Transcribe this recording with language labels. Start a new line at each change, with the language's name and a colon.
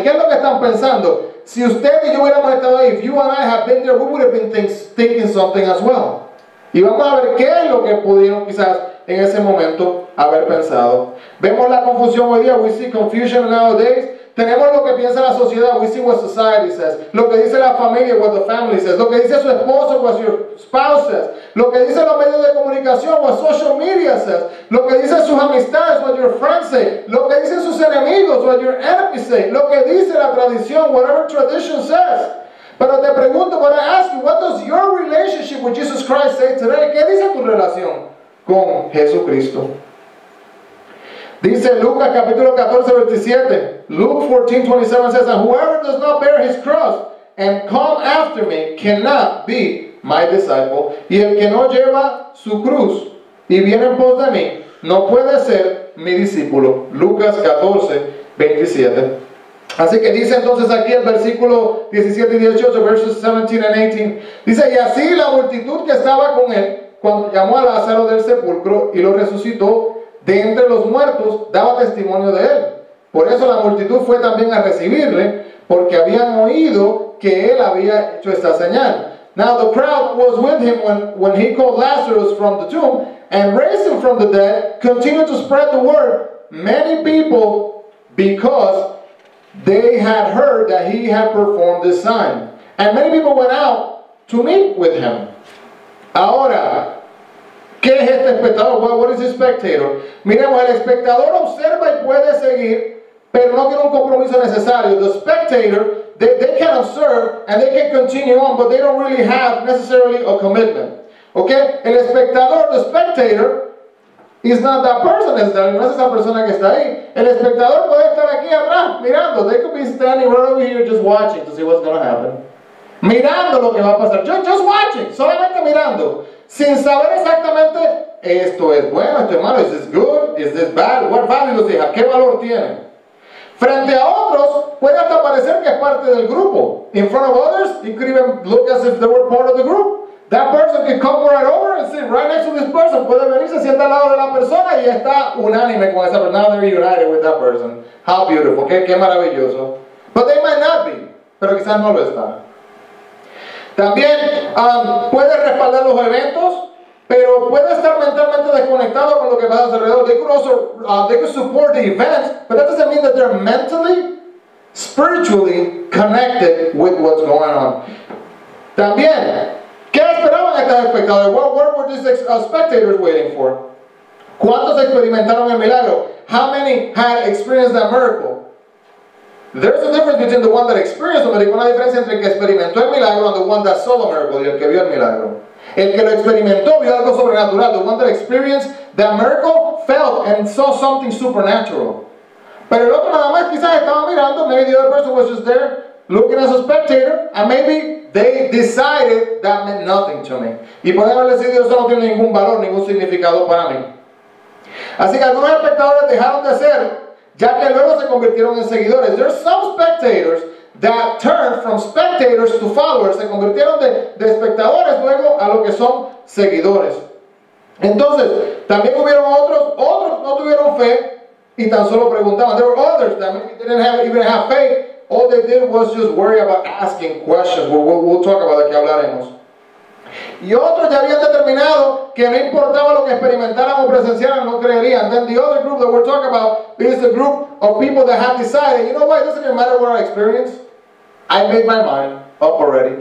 Spanish: ¿Qué es lo que están pensando? Si usted y yo hubiéramos estado ahí,
English: if you and I have been there, we would have been thinking something as well.
Spanish: Y vamos a ver qué es lo que pudieron quizás en ese momento haber pensado. Vemos la confusión hoy día.
English: We see confusion nowadays.
Spanish: Tenemos lo que piensa la sociedad.
English: We see what society says.
Spanish: Lo que dice la familia,
English: what the family says.
Spanish: Lo que dice su esposo,
English: what your spouse says.
Spanish: Lo que dice los medios de comunicación,
English: what social media says.
Spanish: Lo que dice sus amistades,
English: what your friends say.
Spanish: Lo que dicen sus enemigos,
English: what your enemies say.
Spanish: Lo que dice la tradición,
English: whatever tradition says.
Spanish: Pero te pregunto,
English: but I ask you, what does your relationship with Jesus Christ say today?
Spanish: ¿Qué dice tu relación con Jesucristo? Dice Lucas capítulo 14, 27.
English: Luke 14, 27 says, and whoever does not bear his cross and come after me cannot be my disciple.
Spanish: Y el que no lleva su cruz y viene en pos de mí no puede ser mi discípulo. Lucas 14, 27. Así que dice entonces aquí el versículo 17 y 18, versos 17 and 18. Dice, y así la multitud que estaba con él, cuando llamó a Lázaro del sepulcro y lo resucitó de entre los muertos, daba testimonio de él. Por eso la multitud fue también a recibirle, porque habían oído que él había hecho esta señal.
English: Now the crowd was with him when he called Lazarus from the tomb and raised him from the dead, continued to spread the word. Many people, because they had heard that he had performed this sign. And many people went out to meet with him.
Spanish: Ahora, ¿qué es este espectador?
English: What is this spectator?
Spanish: Miremos, el espectador observa y puede seguir, pero no tiene un compromiso necesario.
English: The spectator, they can observe and they can continue on, but they don't really have necessarily a commitment. Okay?
Spanish: El espectador,
English: the spectator, is not that person, necessarily.
Spanish: No es esa persona que está ahí. El espectador puede estar aquí atrás, mirando.
English: They could be standing right over here just watching to see what's going to happen.
Spanish: Mirando lo que va a pasar.
English: Just watching,
Spanish: solamente mirando. Sin saber exactamente, esto es bueno, esto es malo,
English: is this good, is this bad, what value does it have,
Spanish: qué valor tiene. Frente a otros, puede hasta parecer que es parte del grupo.
English: In front of others, it could even look as if they were part of the group. That person could come right over and sit right next to this person.
Spanish: Puede venir, se sienta al lado de la persona y está unánime con esa persona.
English: Now they're united with that person. How beautiful,
Spanish: qué maravilloso.
English: But they might not be,
Spanish: pero quizás no lo están. También puede respaldar los eventos, pero puede estar mentalmente desconectado con lo que pasa alrededor.
English: They could also they could support the events, but that doesn't mean that they're mentally, spiritually connected with what's going on.
Spanish: También, ¿qué esperaban estos espectadores?
English: What were these spectators waiting for?
Spanish: ¿Cuántos experimentaron el milagro?
English: How many had experienced that miracle? There's a difference between the one that experienced the miracle,
Spanish: una diferencia entre el que experimentó el milagro
English: and the one that saw the miracle,
Spanish: y el que vio el milagro. El que lo experimentó vio algo sobrenatural.
English: The one that experienced that miracle felt and saw something supernatural.
Spanish: Pero el otro nada más quizás estaba mirando,
English: maybe the other person was just there looking as a spectator, and maybe they decided that meant nothing to me.
Spanish: Y podemos haberle decidido, eso no tiene ningún valor, ningún significado para mí. Así que algunos espectadores dejaron de ser, ya que luego se convirtieron en seguidores.
English: There are some spectators that turned from spectators to followers.
Spanish: Se convirtieron de espectadores luego a lo que son seguidores. Entonces, también hubieron otros no tuvieron fe y tan solo preguntaban.
English: There were others that maybe didn't even have faith. All they did was just worry about asking questions. We'll talk about that,
Spanish: que hablaremos. Y otros ya habían determinado que no importaba lo que experimentaran o presenciaran, no creerían.
English: Then the other group that we're talking about is the group of people that have decided, you know what, it doesn't even matter what I experience, I made my mind up already.